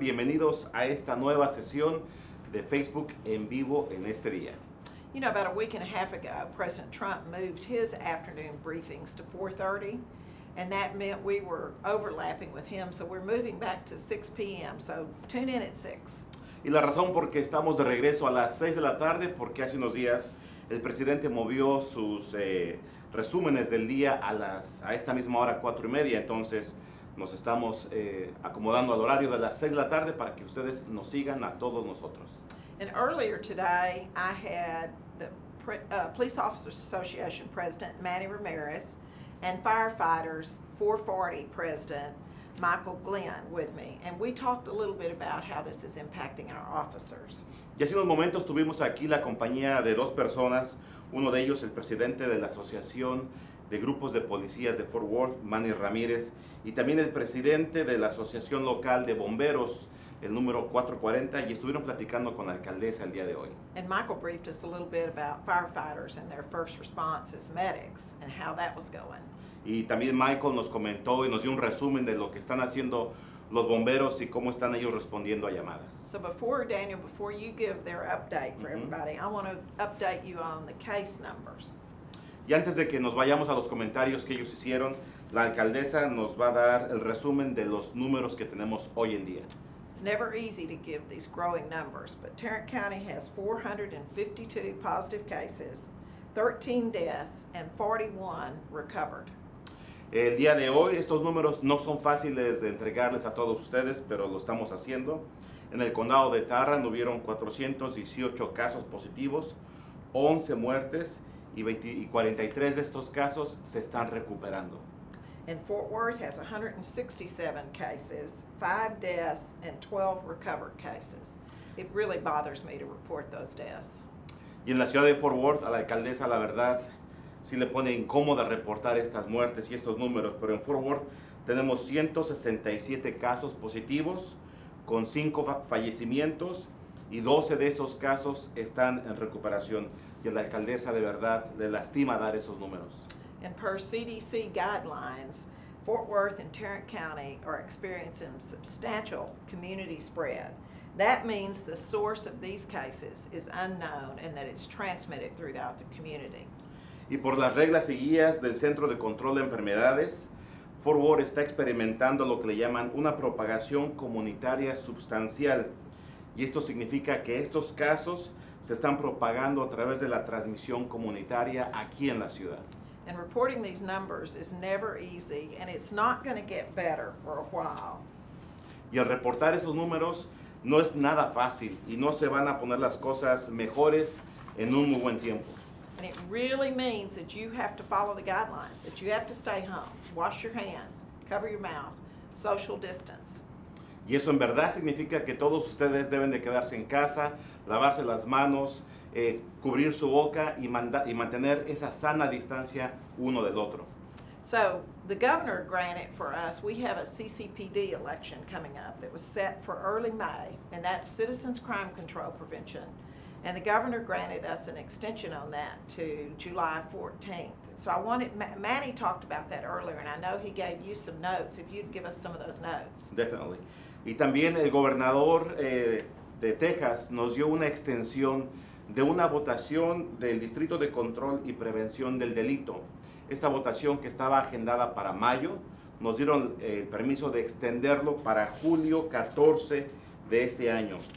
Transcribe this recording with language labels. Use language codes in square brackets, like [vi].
[es] Bienvenidos a esta nueva sesión de Facebook en vivo en este día. [en] You know, about a week and a half ago, President Trump moved his afternoon briefings to 4:30, and that meant we were overlapping with him, so we're moving back to 6 p.m., so tune in at 6. [es] Y la razón por qué estamos de regreso a las 6 de la tarde, porque hace unos días el presidente movió sus resúmenes del día a esta misma hora, 4:30, entonces nos estamos acomodando al horario de las 6 de la tarde para que ustedes nos sigan a todos nosotros. [en] And earlier today, I had the Police Officers Association President Manny Ramirez and Firefighters 440 President Michael Glenn with me, and we talked a little bit about how this is impacting our officers. [es] Y hace unos momentos tuvimos aquí la compañía de dos personas, uno de ellos el presidente de la Asociación de Grupos de Policías de Fort Worth, Manny Ramirez, y también el presidente de la Asociación Local de Bomberos, el número 440, y estuvieron platicando con la alcaldesa el día de hoy. [en] And Michael briefed us a little bit about firefighters and their first response as medics and how that was going. [es] Y también Michael nos comentó y nos dio un resumen de lo que están haciendo los bomberos y cómo están ellos respondiendo a llamadas. [en] So before, Daniel, before you give their update for everybody, I want to update you on the case numbers. [es] Y antes de que nos vayamos a los comentarios que ellos hicieron, la alcaldesa nos va a dar el resumen de los números que tenemos hoy en día. [en] It's never easy to give these growing numbers, but Tarrant County has 452 positive cases, 13 deaths, and 41 recovered. [es] El día de hoy, estos números no son fáciles de entregarles a todos ustedes, pero lo estamos haciendo. En el condado de Tarrant hubieron 418 casos positivos, 11 muertes, y 43 de estos casos se están recuperando. [en] And Fort Worth has 167 cases, 5 deaths, and 12 recovered cases. It really bothers me to report those deaths. [es] Y en la ciudad de Fort Worth, a la alcaldesa, la verdad, sí le pone incómoda reportar estas muertes y estos números, pero en Fort Worth tenemos 167 casos positivos, con 5 fallecimientos, y 12 de esos casos están en recuperación. Y a la alcaldesa, de verdad, le lastima dar esos números. [en] And per CDC guidelines, Fort Worth and Tarrant County are experiencing substantial community spread. That means the source of these cases is unknown and that it's transmitted throughout the community. [es] Y por las reglas y guías del Centro de Control de Enfermedades, Fort Worth está experimentando lo que le llaman una propagación comunitaria sustancial. Y esto significa que estos casos se están propagando a través de la transmisión comunitaria aquí en la ciudad. [en] And reporting these numbers is never easy, and it's not going to get better for a while. [es] Y al reportar esos números no es nada fácil, y no se van a poner las cosas mejores en un muy buen tiempo. [en] And it really means that you have to follow the guidelines, that you have to stay home, wash your hands, cover your mouth, social distance. [es] Y eso en verdad significa que todos ustedes deben de quedarse en casa, lavarse las manos, cubrir su boca y mantener esa sana distancia uno del otro. [en] So, the governor granted for us, we have a CCPD election coming up that was set for early May, and that's Citizens Crime Control Prevention. And the governor granted us an extension on that to July 14th. So I wanted, Manny talked about that earlier, and I know he gave you some notes, if you'd give us some of those notes. Definitely. [es] Y también el gobernador de Texas nos dio una extensión de una votación del Distrito de Control y Prevención del Delito. Esta votación que estaba agendada para mayo, nos dieron el permiso de extenderlo para julio 14 de este año.